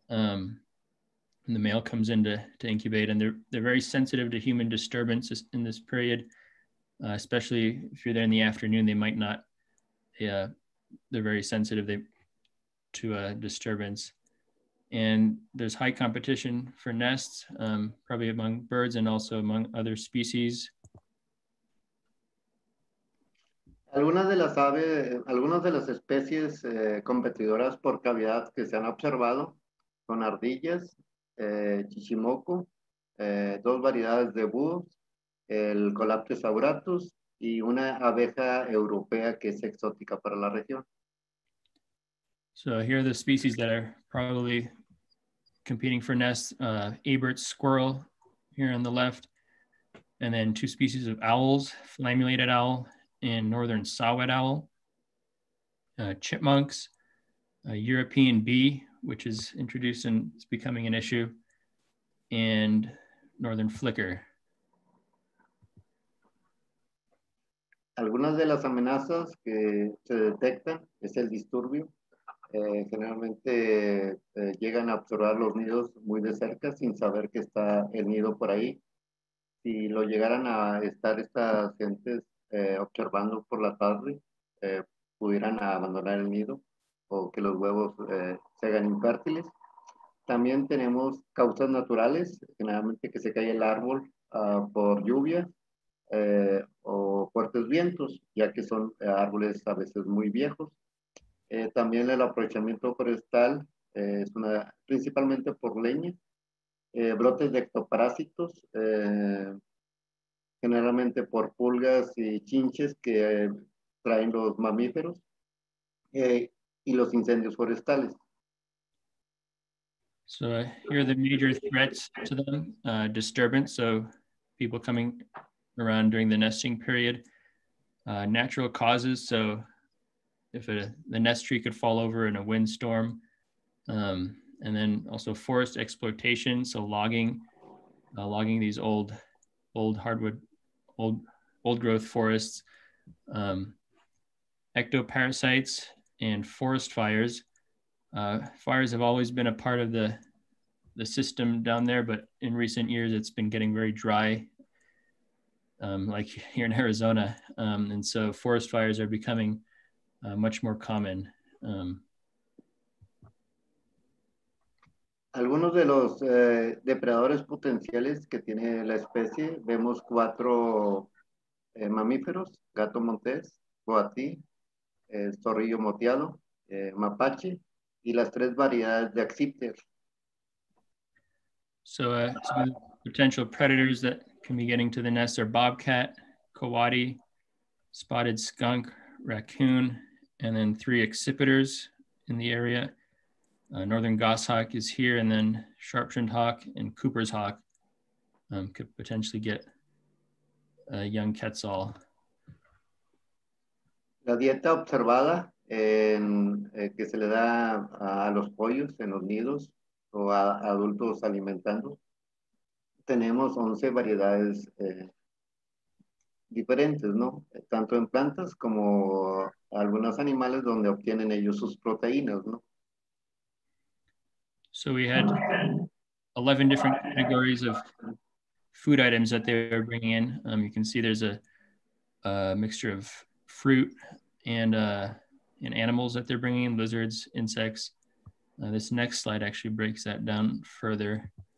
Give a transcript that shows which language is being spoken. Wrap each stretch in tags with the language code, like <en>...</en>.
<en>And the male comes in to incubate, and they're very sensitive to human disturbance in this period, especially if you're there in the afternoon, they might not, they're very sensitive to a disturbance. And there's high competition for nests, probably among birds and also among other species.</en> <es>Algunas de las especies competidoras por cavidad que se han observado son ardillas, chichimoco, dos variedades de búhos, el Colaptes auratus y una abeja europea que es exótica para la región.</es> <en>So here are the species that are probably competing for nests, Abert's squirrel here on the left, and then two species of owls, flammulated owl and northern saw-whet owl, chipmunks, a European bee, which is introduced and is becoming an issue, and northern flicker.</en> <es>Algunas de las amenazas que se detectan es el disturbio, Generalmente llegan a observar los nidos muy de cerca sin saber que está el nido por ahí. Si lo llegaran a estar estas gentes observando por la tarde, pudieran abandonar el nido o que los huevos se hagan infértiles. También tenemos causas naturales, generalmente que se cae el árbol por lluvia o fuertes vientos, ya que son árboles a veces muy viejos. También el aprovechamiento forestal es una, principalmente por leña. Brotes de ectoparásitos, generalmente por pulgas y chinches que traen los mamíferos, y los incendios forestales.</es> <en>So here are the major threats to them, disturbance, so people coming around during the nesting period, natural causes, so if the nest tree could fall over in a windstorm, and then also forest exploitation, so logging these old hardwood, old growth forests, ectoparasites and forest fires. Fires have always been a part of the system down there, but in recent years it's been getting very dry, like here in Arizona, and so forest fires are becoming much more common.</en> <es>Algunos de los depredadores potenciales que tiene la especie, vemos cuatro mamíferos: gato montés, coatí, zorrillo moteado, mapache, y las tres variedades de axípteros.</es> <en>So some of the potential predators that can be getting to the nest are bobcat, coati, spotted skunk, raccoon, and then three accipiters in the area. Northern goshawk is here, and then sharp-shinned hawk and Cooper's hawk could potentially get a young quetzal.</en> <es>La dieta observada que se le da a los pollos en los nidos o a adultos alimentando, tenemos 11 variedades diferentes, ¿no? Tanto en plantas como algunos animales donde obtienen ellos sus proteínas, ¿no?</es> <en>So we had 11 different categories of food items that they were bringing in. You can see there's a mixture of fruit and animals that they're bringing in, lizards, insects. This next slide actually breaks that down further.</en>